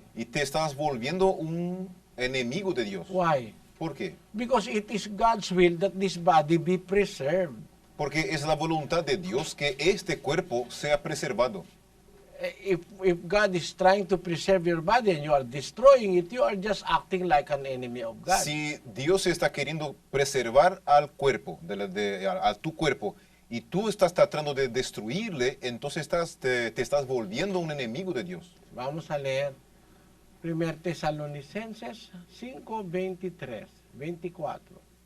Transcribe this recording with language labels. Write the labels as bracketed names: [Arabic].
[Spanish] Y te estás volviendo un enemigo de Dios. [English] Why? [Spanish] ¿Por qué? [English] Because it is God's will that this body be preserved. [Spanish] Porque es la voluntad de Dios que este cuerpo sea preservado. [English] If God is trying to preserve your body and you are destroying it, you are just acting like an enemy of God. [Spanish] Si Dios está queriendo preservar al cuerpo, a tu cuerpo, y tú estás tratando de destruirle, entonces te estás volviendo un enemigo de Dios. Vamos a leer 1 Tesalonicenses 5:23. 24.